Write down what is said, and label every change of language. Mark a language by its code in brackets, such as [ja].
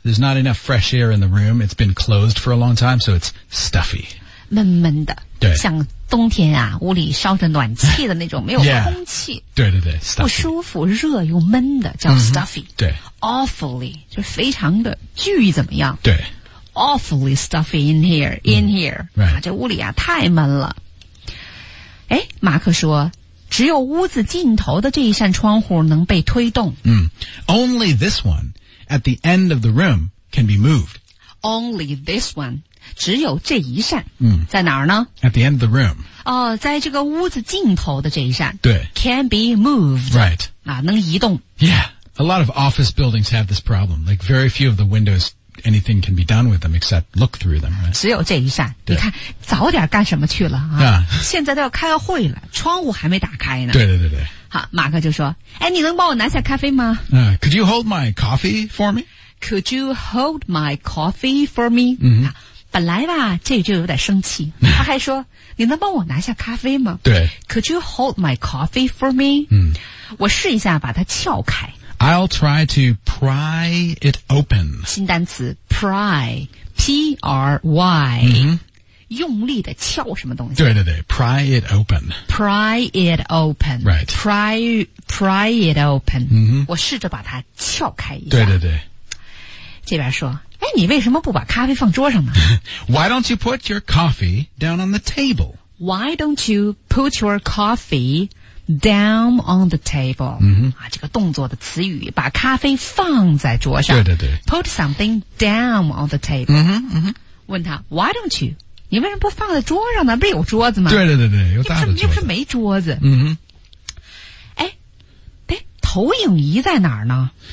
[en] There's not enough fresh air in the room. It's been closed for a long time, so it's stuffy. [zh] 闷闷的对像冬天啊屋里烧着暖气的那种没有空气 yeah, 对对对、stuffy. 不舒服热又闷的叫 stuffy、mm-hmm, 对 awfully 就非常的巨怎么样对 [en] awfully stuffy in here in here、 right. [zh] 啊、这屋里啊太闷了诶马克说只有屋子尽头的这一扇窗户能被推动、 mm. [en] Only this one at the end of the room can be moved Only this one [zh] 只有这一扇、嗯、在哪儿呢 [en] At the end of the room、 [zh] 在这个屋子尽头的这一扇对 [en] Can be moved Right、 [zh] 啊、能移动 [en] Yeah A lot of office buildings have this problem Like very few of the windows Anything can be done with them Except look through them、right? [zh] 只有这一扇对你看早点干什么去了、啊 [en] yeah. [zh] 现在都要开会了窗户还没打开呢对对对对好马克就说哎，你能帮我拿下咖啡吗、 [en] Could you hold my coffee for me? Could you hold my coffee for me?、 Mm-hmm. 啊 [zh] 本来吧这就有点生气他还说你能帮我拿下咖啡吗对 [en] Could you hold my coffee for me?、嗯、 [zh] 我试一下把它撬开 [en] I'll try to pry it open [zh] 新单词 pry P-R-Y、嗯、用力的撬什么东西对对对 [en] pry it open pry it open、 right. pry it open、嗯、 [zh] 我试着把它撬开一下对对对这边说哎，你为什么不把咖啡放桌上呢 [en] Why don't you put your coffee down on the table? Why don't you put your coffee down on the table?、 Mm-hmm. [zh] 啊、这个动作的词语把咖啡放在桌上对对对 [en] Put something down on the table、 mm-hmm, mm-hmm. [zh] 问他 [en] Why don't you? [zh] 你为什么不放在桌上呢不是有桌子吗对对对对有大的桌子又不是没桌子、 mm-hmm. 投影仪在哪儿呢?